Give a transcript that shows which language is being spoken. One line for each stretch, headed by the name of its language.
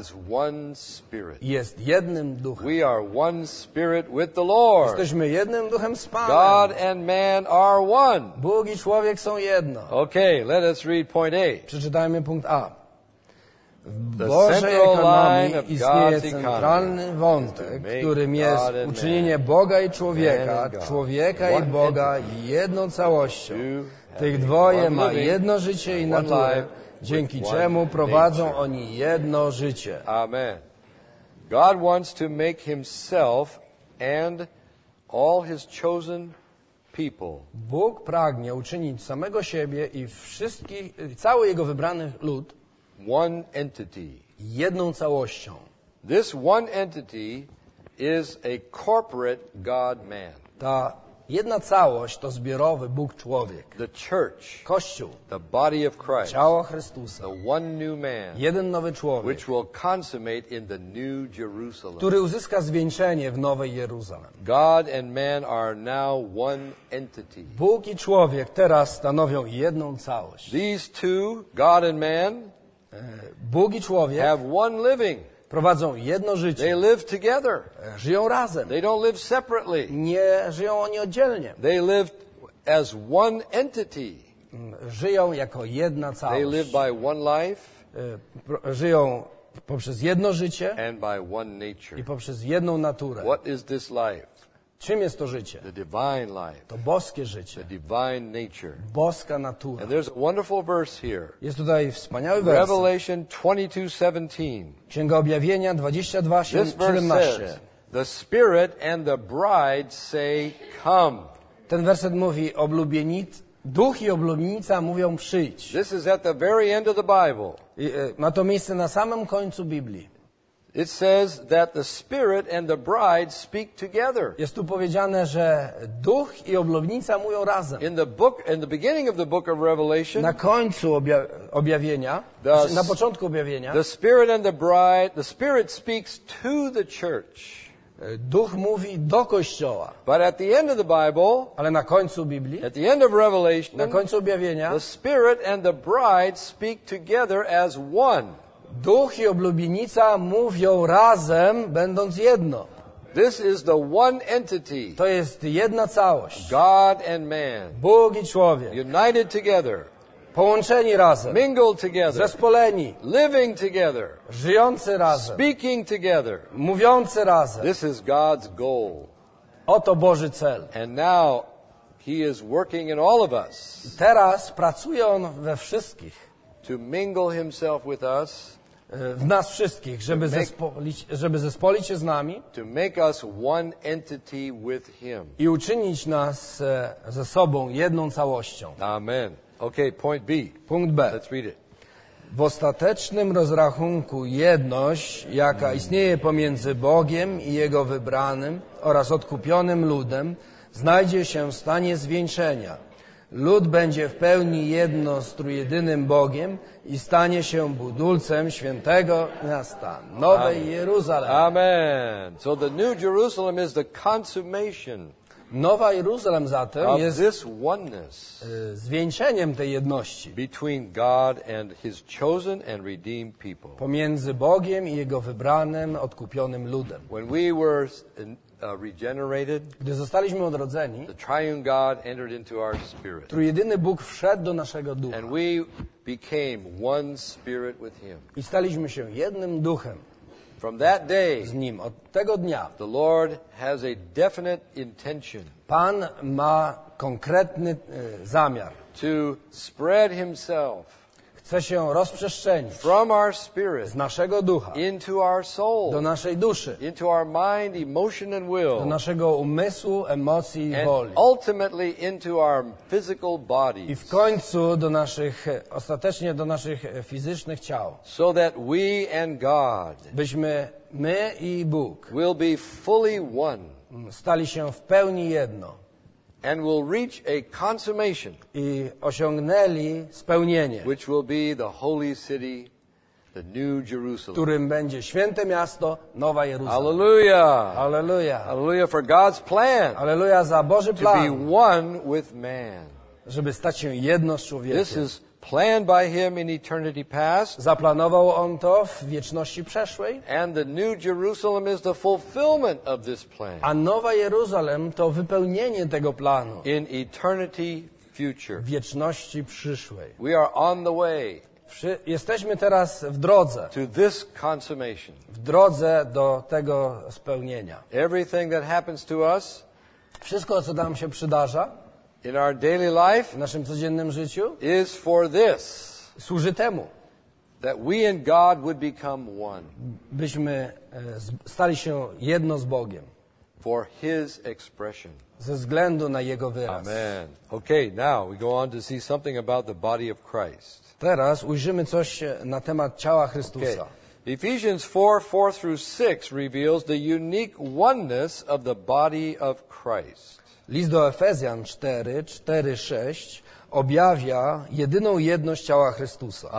English: is one spirit.
Polish: Jest jednym duchem.
English: We are one spirit with the Lord.
Polish: Jesteśmy jednym duchem z Panem.
English: God and man are one.
Polish: Bóg i człowiek są jedno.
English: Okay, let us read point A.
Polish: Przeczytajmy punkt A. W Bożej ekonomii istnieje centralny wątek, którym jest uczynienie Boga i człowieka, człowieka i Boga jedną całością. Tych dwoje ma jedno życie i naturę, dzięki czemu prowadzą oni jedno życie. Amen.
English: God wants to make himself and all his chosen people.
Polish: Bóg pragnie uczynić samego siebie i wszystkich, cały jego wybrany lud
English: one entity.
Polish: Jedną całością.
English: This one entity is a corporate God man.
Polish: Ta jedna całość to zbiorowy Bóg człowiek.
English: The church.
Polish: Kościół.
English: The body of Christ.
Polish: Ciało Chrystusa.
English: The one new man.
Polish: Jeden nowy człowiek.
English: Which will consummate in the new Jerusalem.
Polish: Który uzyska zwieńczenie w nowej Jeruzalem.
English: God and man are now one entity.
Polish: Bóg i człowiek teraz stanowią jedną całość.
English: These two, God and man,
Polish: Bóg i człowiek
English: have one living.
Polish: Prowadzą jedno życie.
English: They live together.
Polish: Żyją razem.
English: They don't live separately.
Polish: Nie żyją oni oddzielnie.
English: They live as one entity.
Polish: Żyją jako jedna całość.
English: They live by one life.
Polish: Żyją poprzez jedno życie.
English: And by one nature.
Polish: I poprzez jedną naturę.
English: What is this life?
Polish: Czym jest to życie?
English: The divine life.
Polish: To boskie życie.
English: The divine nature.
Polish: Boska natura.
English: And there's a wonderful verse here.
Polish: Jest tutaj wspaniały werset.
English: Revelation 22:17.
Polish: Księga Objawienia 22:17.
English: The Spirit and the Bride say, come.
Polish: Ten werset mówi, duch i oblubienica mówią, przyjdź.
English: This is at the very end of the Bible.
Polish: Ma to miejsce na samym końcu Biblii.
English: It says that the Spirit and the Bride speak together.
Polish: Jest tu powiedziane, że Duch i Oblubnica mówią razem.
English: In the beginning of the book of Revelation.
Polish: Na końcu objawienia. Na początku objawienia.
English: The Spirit and the Bride. The Spirit speaks to the church.
Polish: Duch mówi do Kościoła.
English: But at the end of the Bible.
Polish: Ale na końcu Biblii.
English: At the end of Revelation.
Polish: Na końcu objawienia.
English: The Spirit and the Bride speak together as one.
Polish: Duch i Oblubienica mówią razem, będąc jedno.
English: This is the one entity.
Polish: To jest jedna całość.
English: God and man.
Polish: Bóg i człowiek.
English: United together.
Polish: Połączeni razem.
English: Mingled together.
Polish: Zespoleni.
English: Living together.
Polish: Żyjący razem.
English: Speaking together.
Polish: Mówiący razem.
English: This is God's goal.
Polish: Oto Boży cel.
English: And now he is working in all of us.
Polish: Teraz pracuje on we wszystkich.
English: To mingle himself with us,
Polish: w nas wszystkich, żeby zespolić się z nami,
English: to make us one entity with him,
Polish: i uczynić nas ze sobą jedną całością.
English: Amen. Okay, point B.
Polish: Punkt B.
English: Let's read it.
Polish: W ostatecznym rozrachunku jedność, jaka istnieje pomiędzy Bogiem i Jego wybranym oraz odkupionym ludem, znajdzie się w stanie zwieńczenia. Lud będzie w pełni jedno z trójjedynym Bogiem i stanie się budulcem świętego miasta, Nowej Jeruzalem. Amen.
English: So the New Jerusalem is the consummation.
Polish: Nowa Jeruzalem zatem jest
English: this oneness
Polish: zwieńczeniem tej jedności
English: between God and his chosen and redeemed people.
Polish: Pomiędzy Bogiem i Jego wybranym, odkupionym ludem.
English: When we were regenerated,
Polish: gdy zostaliśmy odrodzeni,
English: the triune God entered into our spirit.
Polish: Trójjedyny Bóg wszedł do naszego ducha.
English: And we became one spirit with him.
Polish: I staliśmy się jednym duchem.
English: From that day,
Polish: z nim, od tego dnia,
English: the Lord has a definite intention.
Polish: Pan ma konkretny zamiar.
English: To spread himself.
Polish: Chce się rozprzestrzenić.
English: From our spirit.
Polish: Z naszego ducha.
English: Into our soul.
Polish: Do naszej duszy.
English: Into our mind, emotion and will.
Polish: Do naszego umysłu, emocji i woli.
English: And ultimately into our physical bodies.
Polish: I w końcu do naszych, ostatecznie do naszych fizycznych ciał.
English: So that we and God.
Polish: Byśmy my i Bóg.
English: Will be fully one.
Polish: Stali się w pełni jedno.
English: And will reach a consummation,
Polish: i osiągnęli spełnienie,
English: which will be the holy city, the New Jerusalem,
Polish: którym będzie święte miasto, Nowa Jeruzalem. Alleluja. Alleluja.
English: Alleluja for God's plan.
Polish: Alleluja za Boży plan.
English: To be one with man.
Polish: Żeby stać się jedno z człowiekiem.
English: This is planned by him in eternity past.
Polish: Zaplanował on to w wieczności przeszłej.
English: And the New Jerusalem is the fulfillment of this plan.
Polish: A Nowa Jeruzalem to wypełnienie tego planu.
English: In eternity future.
Polish: W wieczności przyszłej.
English: We are on the way.
Polish: Jesteśmy teraz w drodze.
English: To this consummation.
Polish: W drodze do tego spełnienia.
English: Everything that happens to us.
Polish: Wszystko, co nam się przydarza.
English: In our daily life,
Polish: w naszym codziennym życiu,
English: is for this,
Polish: służy temu,
English: that we and God would become one,
Polish: byśmy stali się jedno z Bogiem,
English: for his expression,
Polish: ze względu na jego wyraz. Amen.
English: Okay, now we go on to see something about the body of Christ.
Polish: Teraz ujrzymy coś na temat ciała Chrystusa.
English: Okay. Ephesians 4:4 through 6 reveals the unique oneness of the body of Christ.
Polish: List do Efezjan 4:4-6 objawia jedyną jedność ciała Chrystusa.